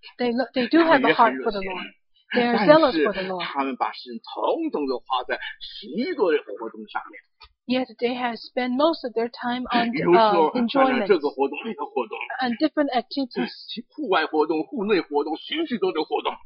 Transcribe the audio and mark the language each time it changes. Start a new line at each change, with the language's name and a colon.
English: They do have a heart for the Lord. They are zealous for the Lord.
Chinese: 他们把时间统统都花在许多的活动上面。
English: Yet they have spent most of their time on enjoyment.
Chinese: 这个活动那个活动。
English: And different activities.
Chinese: 户外活动、户内活动、许许多的活动。